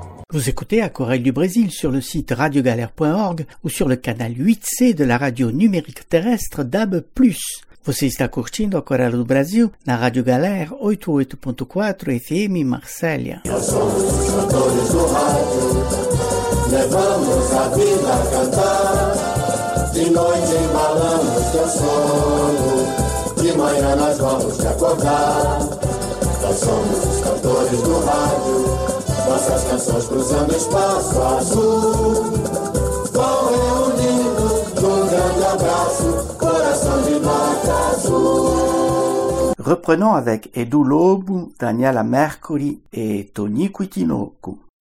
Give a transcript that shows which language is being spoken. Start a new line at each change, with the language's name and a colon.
French: Vous écoutez à Corée du Brésil sur le site radiogalère.org ou sur le canal 8C de la radio numérique terrestre DAB+.
Portuguese: Você está curtindo a Coreia do Brasil na Rádio Galera 88.4 FM Marcélia. Nós somos os cantores do rádio, levamos a vida a cantar. De noite embalamos teu sono, de manhã nós vamos te acordar. nós somos os cantores do rádio. Nossas canções cruzando espaço azul, vão reunindo um grande abraço, coração de nota azul.
French: Reprenons avec Edu Lobo, Daniela Mercury et Tony Cuitinoco.